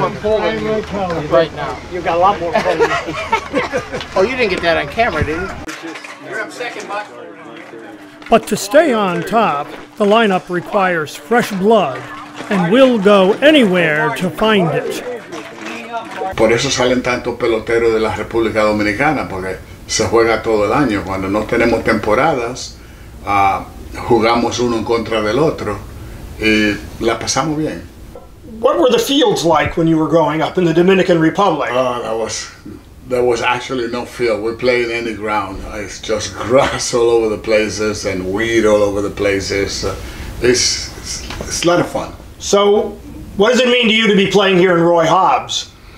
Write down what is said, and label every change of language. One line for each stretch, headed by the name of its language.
English: Right now. You've got a lot more fun. Oh, you didn't get that on camera, did you? You're up second, Mike. But to stay on top, the lineup requires fresh blood, and will go anywhere to find it.
Spanish: Por eso salen tantos peloteros de la República Dominicana, porque se juega todo el año. Cuando no tenemos temporadas, jugamos uno en contra del otro, y la pasamos bien.
English: What were the fields like when you were growing up in the Dominican Republic? There was actually no field. We play in any ground. It's just grass all over the places and weed all over the places. It's a lot of fun. So what does it mean to you to be playing here in Roy Hobbs?